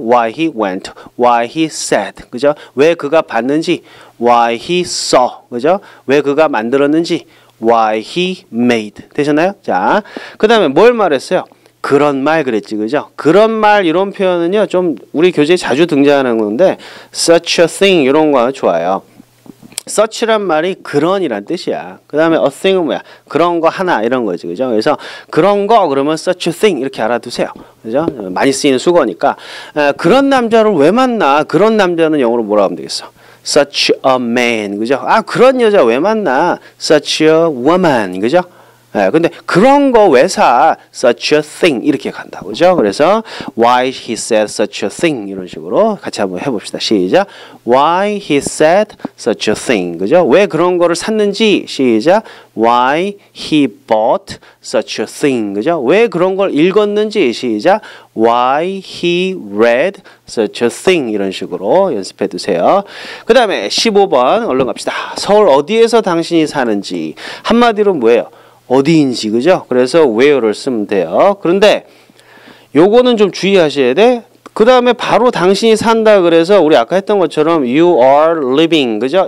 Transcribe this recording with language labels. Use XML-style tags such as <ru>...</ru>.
<en>Why he went, why he said,</en> <ko>그죠? 왜 그가 봤는지,</ko> <en>why he saw,</en> <ko>그죠? 왜 그가 만들었는지,</ko> <en>why he made,</en> <ko>되셨나요? 자, 그 다음에 뭘 말했어요? 그런 말 그랬지, 그죠? 그런 말 이런 표현은요, 좀 우리 교재에 자주 등장하는 건데</ko> <en>such a thing</en> <ko>이런 거 좋아요. such란 말이 그런이란 뜻이야. 그 다음에 a thing은 뭐야? 그런 거 하나 이런 거지, 그죠? 그래서 그런 거 그러면</ko> <en>such a thing</en> <ko>이렇게 알아두세요. 그죠? 많이 쓰이는 수거니까. 에, 그런 남자를 왜 만나? 그런 남자는 영어로 뭐라고 하면 되겠어?</ko> <en>such a man,</en> <ko>그죠? 아, 그런 여자 왜 만나?</ko> <en>such a woman,</en> <ko>그죠? 에, 근데 그런 거 왜 사?</ko> <en>such a thing</en> <ko>이렇게 간다, 그죠?</ko> <en>그래서 why he said such a thing</en> <ko>이런 식으로 같이 한번 해봅시다. 시작.</ko> <en>why he said such a thing,</en> <ko>그죠? 왜 그런 거를 샀는지. 시작.</ko> <en>why he bought such a thing,</en> <ko>그죠? 왜 그런 걸 읽었는지. 시작.</ko> <en>why he read such a thing</en> <ko>이런 식으로 연습해 두세요. 그 다음에 15번 얼른 갑시다. 서울 어디에서 당신이 사는지. 한마디로 뭐예요? 어디인지, 그죠? 그래서 where를 쓰면 돼요. 그런데 요거는 좀 주의하셔야 돼. 그 다음에 바로 당신이 산다 그래서 우리 아까 했던 것처럼</ko> <en>you are living,</en> <ko>그죠?</ko>